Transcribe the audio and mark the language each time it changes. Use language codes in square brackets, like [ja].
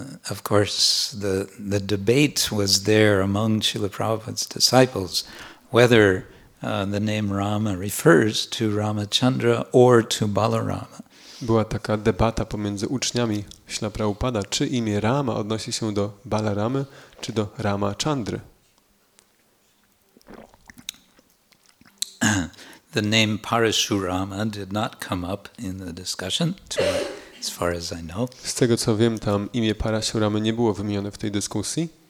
[en] Of course the debate was there among Srila Prabhupada's disciples whether the name Rama refers to Ramachandra or to Balarama. [pl] Była taka debata pomiędzy uczniami Śla Prabhupada, czy imię Rama odnosi się do Balaramy, czy do Ramachandry. [en] The name Parashurama did not come up in the discussion, as far as I know. [pl] Z tego co wiem, tam imię Parashurama nie było wymienione w tej dyskusji.